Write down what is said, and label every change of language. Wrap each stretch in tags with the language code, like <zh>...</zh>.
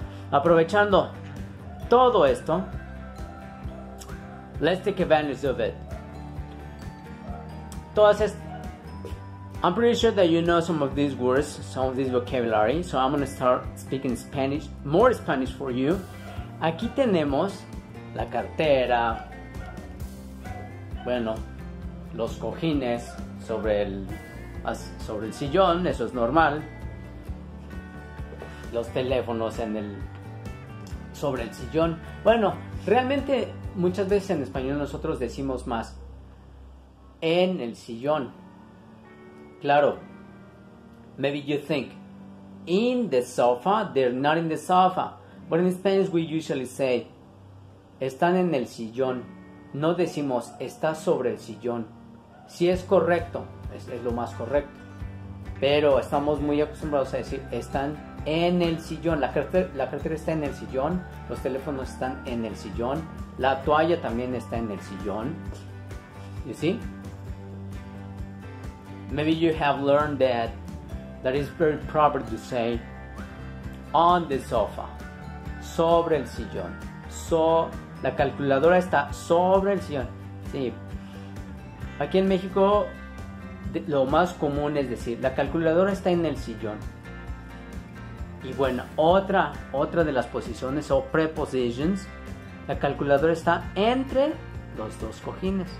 <es>Aprovechando todo esto,</es> <en>let's take advantage of it. I'm pretty sure that you know some of these words, some of this vocabulary, so I'm gonna start speaking Spanish, more Spanish for you.</en> <es>Aquí tenemos la cartera, bueno, los cojines sobre el sillón, eso es normal, los teléfonos en el sobre el sillón. Bueno, realmente muchas veces en español nosotros decimos más en el sillón.</es> <en>Claro, maybe you think in the sofa, they're not in the sofa. But in Spanish we usually say</en> <es>están en el sillón. No decimos está sobre el sillón. Si es correcto, es lo más correcto. Pero estamos muy acostumbrados a decir están en el sillón, la cartera está en el sillón, los teléfonos están en el sillón, la toalla también está en el sillón.</es> <en>You see? Maybe you have learned that is very proper to say on the sofa,</en> <es>sobre el sillón. So, la calculadora está sobre el sillón. Sí. Aquí en México lo más común es decir la calculadora está en el sillón. Y bueno, otra de las posiciones o prepositions, la calculadora está entre los dos cojines.</es>